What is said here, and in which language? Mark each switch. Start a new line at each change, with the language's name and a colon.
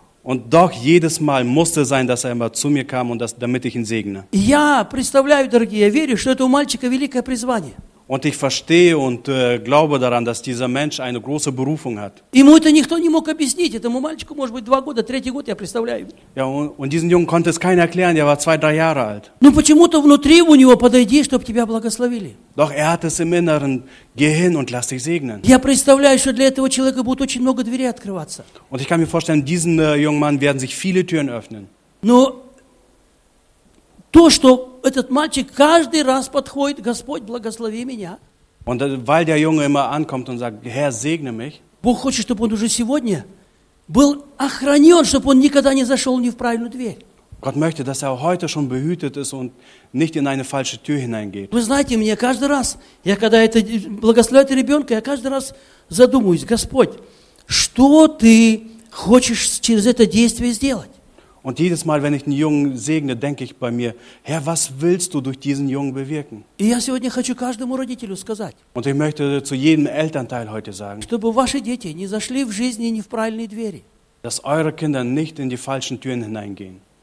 German: Und doch jedes Mal musste sein, dass er immer zu mir kam und damit ich ihn segne.
Russian: Я представляю, дорогие, я верю, что это у мальчика великое призвание.
German: Und ich verstehe und glaube daran, dass dieser Mensch eine große Berufung hat.
Russian: Ему это никто не мог объяснить. Этому мальчику, может быть, два года, третий год, я представляю.
German: Ja, und diesen Jungen konnte es keiner erklären, er war 2-3 Jahre alt.
Russian: Ну почему-то внутри у него подойди, чтобы тебя благословили.
German: Doch er hat es im Inneren, geh hin und lass dich segnen.
Russian: Я представляю, что для этого человека будет очень много дверей открываться.
German: Und ich kann mir vorstellen, diesen jungen Mann werden sich viele Türen öffnen.
Russian: Но то, что этот мальчик каждый раз подходит, Господь, благослови меня.
German: Und weil der Junge immer ankommt und sagt, Herr, segne mich.
Russian: Бог хочет, чтобы он уже сегодня был охранен, чтобы он никогда не зашел не в правильную дверь.
German: Gott möchte, dass er heute schon behütet ist und nicht in eine falsche Tür hineingeht.
Russian: Вы знаете, мне каждый раз, я когда это благословляю это ребенка, я каждый раз задумываюсь, Господь, что ты хочешь через это действие сделать?
German: Und jedes Mal, wenn ich einen Jungen segne, denke ich bei mir, Herr, was willst du durch diesen Jungen bewirken? Und ich möchte zu jedem Elternteil heute sagen, dass eure Kinder nicht in die falschen Türen hineingehen.